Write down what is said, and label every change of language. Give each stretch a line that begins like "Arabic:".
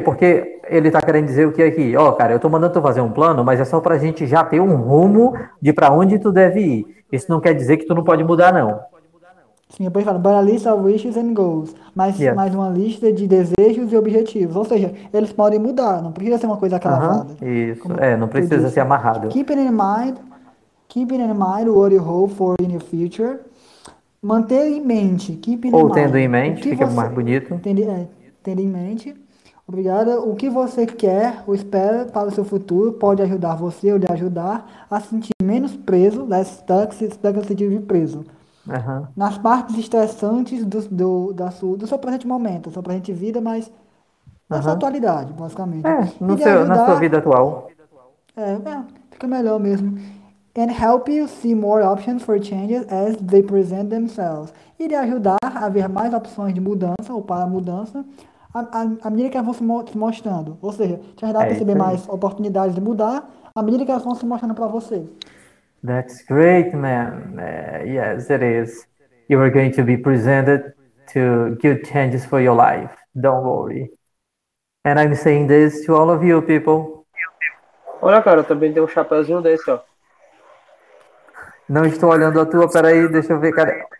Portuguese: Porque ele tá querendo dizer o que aqui? Ó, cara, eu tô mandando tu fazer um plano, mas é só pra gente já ter um rumo de pra onde tu deve ir. Isso não quer dizer que tu não pode mudar, não. Sim, depois fala,
English: but a list of wishes and goals.
Portuguese: Mais uma lista de desejos e objetivos. Ou seja, eles podem mudar, não precisa ser uma coisa cravada. Uh-huh. Isso, é, não precisa ser amarrado.
English: Keeping in mind what you hope for in your future.
Portuguese: Manter em mente.
English: Keep in
Portuguese: Ou
English: mind.
Portuguese: tendo em mente, fica mais bonito. Tendo em mente. Obrigada. O que você quer ou espera para o seu futuro pode ajudar você ou lhe ajudar a sentir menos preso,
English: less stuck,
Portuguese: se stuck no sentido de preso. Uhum. Nas partes estressantes do seu presente momento, sua presente vida, mas na sua atualidade, basicamente. É, no seu, ajudar, na sua vida atual. Fica melhor mesmo.
English: And help you see more options for changes as they present themselves.
Portuguese: E lhe ajudar a ver mais opções de mudança ou para mudança à medida que elas vão se mostrando. Ou seja, te ajudar a perceber mais oportunidades de mudar à medida que elas vão se mostrando para você.
English: That's great, man. Yes, it is. You are going to be presented to good changes for your life. Don't worry. And I'm saying this to all of you people.
Portuguese: Olha, cara, eu também tenho um chapéuzinho desse, ó. Não estou olhando a tua, peraí, deixa eu ver, cara.